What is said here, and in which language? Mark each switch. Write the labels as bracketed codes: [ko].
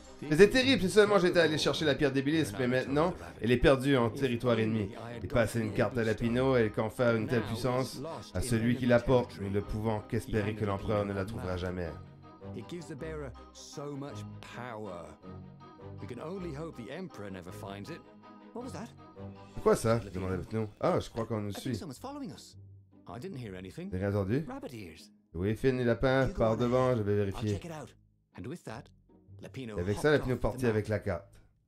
[fr] C'était terrible, si seulement j'étais allé chercher la pierre d'Ibilis, mais maintenant, elle est perdue en territoire ennemi. Et passer une carte à Lapino, elle confère une telle puissance à celui qui la porte, nous ne pouvant qu'espérer que l'empereur ne la trouvera jamais. [en] It gives the bearer so much power. We can only hope the emperor never finds it. What was that? [fr] Pourquoi ça? Demandez Lapino. Ah, je crois qu'on nous suit. [en] I didn't hear anything. [fr] Rien entendu? Oui, Finn et Lapin, par devant, je vais vérifier. Et avec ça, Lapino partit avec la carte.